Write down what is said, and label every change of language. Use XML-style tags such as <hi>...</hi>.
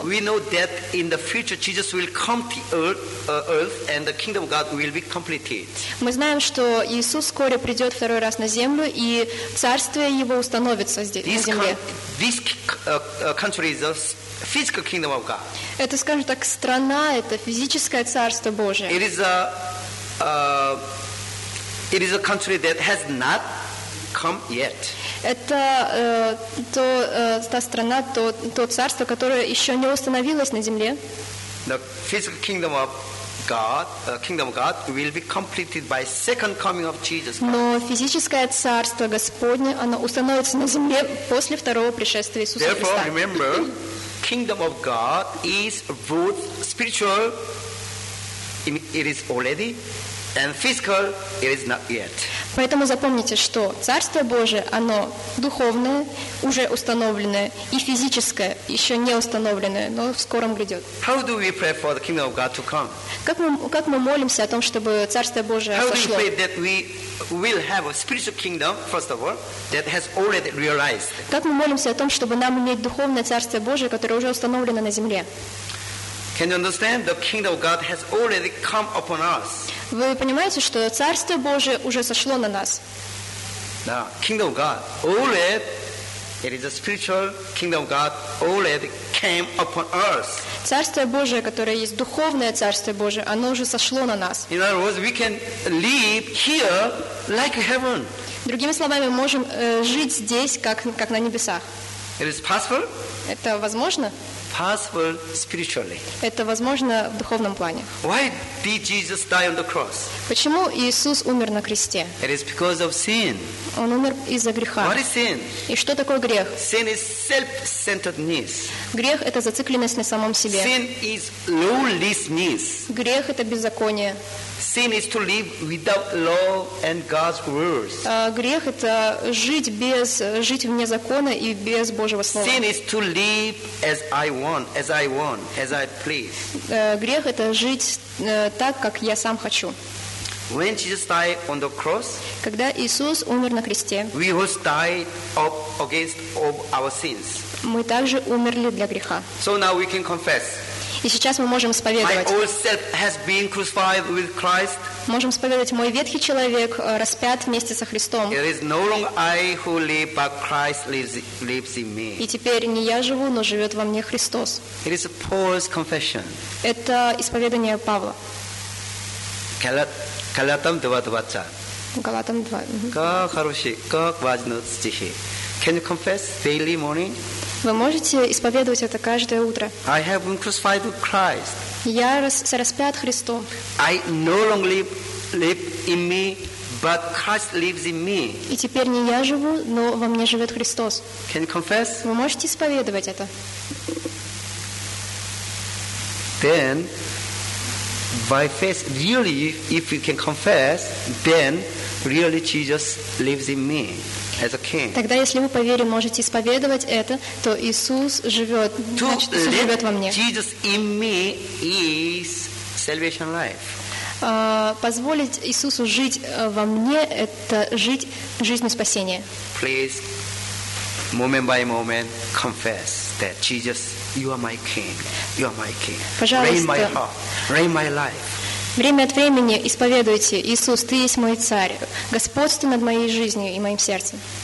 <en>We know that in the future Jesus will come to earth and the kingdom of God will be completed.</en> <ru>Мы знаем, что Иисус скоро придет второй раз на землю и царствие его установится здесь, на земле.</ru> <en>This country is a physical kingdom of God.</en> <ru>Это, скажем так, страна, это физическое царство Божие.</ru> <en>It is a country that has not come yet.</en> <ru>Это та страна, то царство, которое еще не установилось на земле.</ru> <en>The physical kingdom of God, kingdom of God, will be completed by second coming of Jesus Christ.</en> <ru>Но физическое царство Господне, оно установится на земле после второго пришествия Иисуса Христа.</ru> <en>Therefore, remember, kingdom of God is both spiritual. It is already. And physical, it is not yet.</en> <ru>Поэтому запомните, что Царство Божие, оно духовное, уже установленное, и физическое, еще не установленное, но в скором грядет.</ru> <en>How do we pray for the kingdom of God to come?</en> <ru>Как мы молимся о том, чтобы Царство Божие сошло?</ru> <en>How do we pray that we will have a spiritual kingdom, first of all, that has already realized?</en> <ru>Как мы молимся о том, чтобы нам иметь духовное Царство Божие, которое уже установлено на земле?</ru> <en>Can you understand? The kingdom of God has already come upon us.</en> <ru>Вы понимаете, что Царство Божие уже сошло на нас?</ru> <en>Now, kingdom of God already, it is a spiritual kingdom of God already came upon us.</en> <ru>Царство Божие, которое есть духовное Царство Божие, оно уже сошло на нас.</ru> <en>In other words, we can live here like heaven.</en> <ru>Другими словами, мы можем жить здесь, как на небесах.</ru> <en>It is possible?</en> <ru>Это возможно?</ru> <en>Possible spiritually.</en> <ru>Это возможно в духовном плане.</ru> <en>Why did Jesus die on the cross?</en> <ru>Почему Иисус умер на кресте?</ru> <en>It is because of sin.</en> <ru>Он умер из-за греха.</ru> <en>What is sin?</en> <ru>И что такое грех?</ru> <en>Sin is self-centeredness.</en> <ru>Грех – это зацикленность на самом себе.</ru> <en>Sin is lawlessness.</en> <ru>Грех – это беззаконие.</ru> <en>Sin is to live without law and God's words.</en> <ru>Грех – это жить вне закона и без Божьего слова.</ru> <en>Sin is to live as I want, as I want, as I please.</en> <ru>Грех – это жить так, как я сам хочу.</ru> <en>When Jesus died on the cross,</en> <ru>когда Иисус умер на кресте,</ru> <en>we also died up against all our sins.</en> <ru>Мы также умерли для греха.</ru> <en>So now we can confess.</en> <ru>И сейчас мы можем исповедовать.</ru> <en>My old self has been crucified with Christ.</en> <ru>Можем исповедовать, мой ветхий человек распят вместе со Христом.</ru> <en>It is no longer I who live, but Christ lives in me.</en> <ru>И теперь не я живу, но живет во мне Христос.</ru> <en>It is Paul's confession.</en> <ru>Это исповедание Павла. Галатам 2:20. Галатам 2. Как хороший, как важный стихи.</ru> <en>Can you confess daily morning?</en> <ru>Вы можете исповедовать это каждое утро.</ru> <en>I have been crucified with Christ.</en> <ru>Я распят Христом.</ru> <en>I no longer live in me, but Christ lives in me.</en> <ru>И теперь не я живу, но во мне живет Христос.</ru> <en>Can you confess?</en> <ru>Вы можете исповедовать это.</ru> <en>Then, by faith, really, if you can confess, then really Jesus lives in me. As a king.</en> <ru>Тогда, если вы по вере можете исповедовать это, то Иисус живет, значит, Иисус живет во мне.</ru> <en>Jesus in me is salvation life.</en> <ru>Позволить Иисусу жить во мне – это жить жизнью спасения.</ru> <en>Please, moment by moment, confess that Jesus, you are my king, you are my king.</en> <ru>Пожалуйста.</ru> <en>Reign my heart, reign my life.</en> <ru>Время от времени исповедуйте: Иисус, Ты есть мой Царь, господствуй над моей жизнью и моим сердцем.</ru>